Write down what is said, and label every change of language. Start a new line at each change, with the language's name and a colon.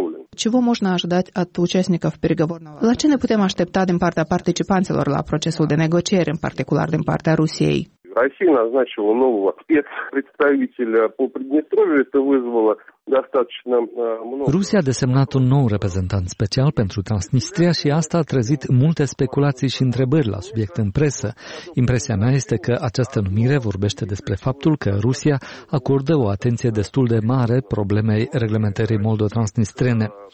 Romanian: Ce vom
Russian: можно ожидать от участников переговорного?
Romanian: La ce ne putem aștepta din partea participanților la procesul de negociere, în particular din partea Rusiei?
Russian: Россия назначила нового спецпредставителя по Приднестровью, это вызвало достаточно много.
Romanian: Rusia a desemnat un nou reprezentant special pentru Transnistria și asta a trezit multe speculații și întrebări la subiect în presă. Impresia mea este că această numire vorbește despre faptul că Rusia acordă o atenție destul de mare problemei reglementării moldo-transnistrene.